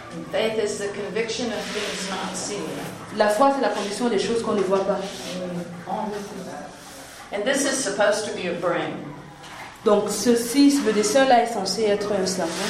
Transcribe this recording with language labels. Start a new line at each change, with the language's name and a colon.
English: Faith is the conviction of things not seen.
French: La foi, c'est la conviction des choses qu'on ne voit pas.
English: And this is supposed to be a brain.
French: Donc ceci, le dessin là, est censé être un cerveau.